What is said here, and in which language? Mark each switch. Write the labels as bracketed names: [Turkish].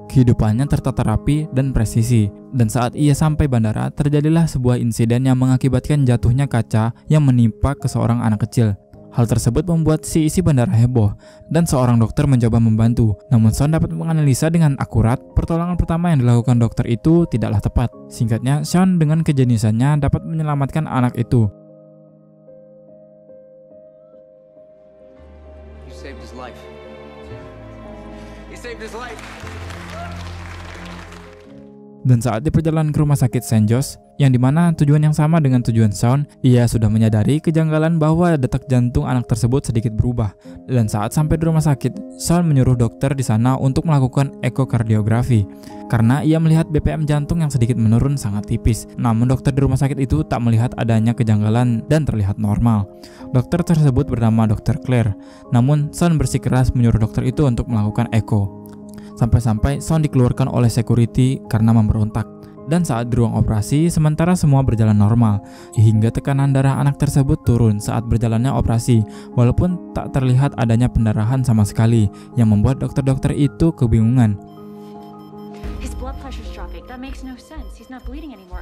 [Indonesian] Kehidupannya tertata rapi dan presisi. Dan saat ia sampai bandara, terjadilah sebuah insiden yang mengakibatkan jatuhnya kaca yang menimpa ke seorang anak kecil. Hal tersebut membuat si isi bandara heboh, dan seorang dokter mencoba membantu. Namun Sean dapat menganalisa dengan akurat, pertolongan pertama yang dilakukan dokter itu tidaklah tepat. Singkatnya, Sean dengan kejeniusannya dapat menyelamatkan anak itu. [English] You saved his life. You saved his life. [Indonesian] Dan saat di perjalanan ke rumah sakit San Jose, yang dimana tujuan yang sama dengan tujuan Sean, ia sudah menyadari kejanggalan bahwa detak jantung anak tersebut sedikit berubah. Dan saat sampai di rumah sakit, Sean menyuruh dokter di sana untuk melakukan ekokardiografi. Karena ia melihat BPM jantung yang sedikit menurun sangat tipis. Namun dokter di rumah sakit itu tak melihat adanya kejanggalan dan terlihat normal. Dokter tersebut bernama Dr. Claire. Namun Sean bersikeras menyuruh dokter itu untuk melakukan eko. Sampai-sampai Sean dikeluarkan oleh security karena memberontak. Dan saat di ruang operasi, sementara semua berjalan normal, hingga tekanan darah anak tersebut turun saat berjalannya operasi, walaupun tak terlihat adanya pendarahan sama sekali, yang membuat dokter-dokter itu kebingungan. [English] His blood pressure's dropping. That makes no sense. He's not bleeding anymore.